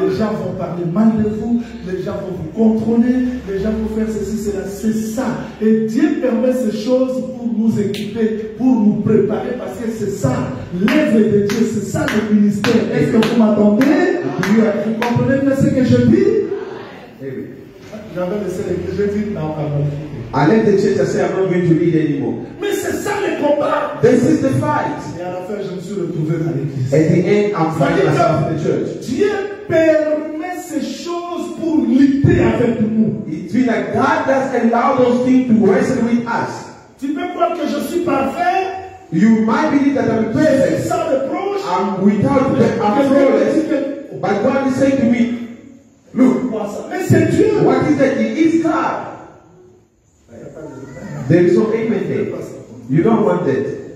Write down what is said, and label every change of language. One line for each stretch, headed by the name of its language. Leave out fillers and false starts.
French: Les gens vont parler mal de vous, les gens vont vous contrôler, les gens vont faire ceci, cela, c'est ça. Et Dieu permet ces choses pour nous équiper, pour nous préparer, parce que c'est ça, l'œuvre de Dieu, c'est ça le ministère. Est-ce que vous m'entendez? Oui, vous comprenez bien ce que je dis? Oui. J'avais laissé l'église, je dis, non, pardon.
English: I left the church and said, I'm not going to read anymore.
French: Mais c'est ça le combat.
English: This is the fight.
French: Et à la fin, je me suis retrouvé dans l'église.
English: At the end, I'm finding myself in the church.
French: Dieu permet ces choses pour lutter avec nous.
English: It's been like God has allowed those things to wrestle with us.
French: Tu peux croire que je suis parfait.
English: You might believe that I'm perfect.
French: C'est sans reproche.
English: I'm without flawless. But God is saying to me, look,
French: mais c'est Dieu.
English: What is that? It is God. There is no amen there. You don't want that.